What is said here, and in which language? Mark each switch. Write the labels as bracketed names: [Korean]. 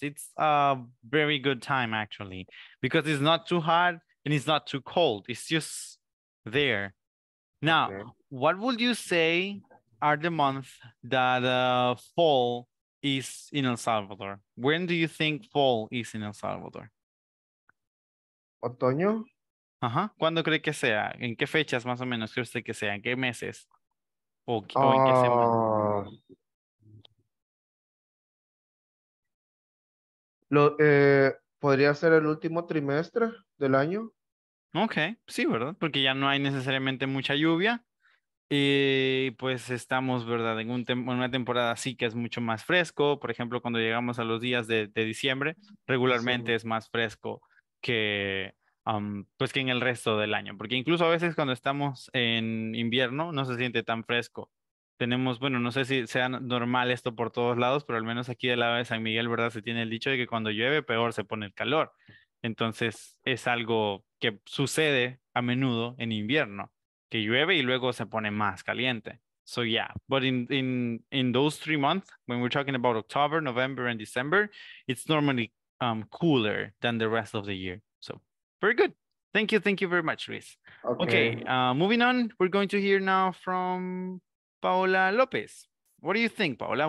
[English] It's a very good time, actually, because it's not too hot and it's not too cold. It's just there. Now, okay. What would you say are the months that fall is in El Salvador? When do you think fall is in El Salvador? [Spanish] Otoño. Uh-huh. ¿Cuándo cree que sea? ¿En qué fechas más o menos cree usted que sea? ¿En qué meses? ¿O en qué semana? ¿Podría ser el último trimestre del año? Ok, sí, ¿verdad? Porque ya no hay necesariamente mucha lluvia. Y pues estamos, ¿verdad? En una temporada así que es mucho más fresco. Por ejemplo, cuando llegamos a los días de diciembre, regularmente sí. Es más fresco que... pues que en el resto del año, porque incluso a veces cuando estamos en invierno no se siente tan fresco. Tenemos, bueno, no sé si sea normal esto por todos lados, pero al menos aquí del lado de San Miguel, ¿verdad? Se tiene el dicho de que cuando llueve peor se pone el calor. Entonces es algo que sucede a menudo en invierno, que llueve y luego se pone más caliente. [English] So yeah, but in those 3 months, when we're talking about October, November and December, it's normally cooler than the rest of the year. Very good. Thank you very much, Luis. Okay. Moving on, we're going to hear now from Paola López. What do you think, Paola?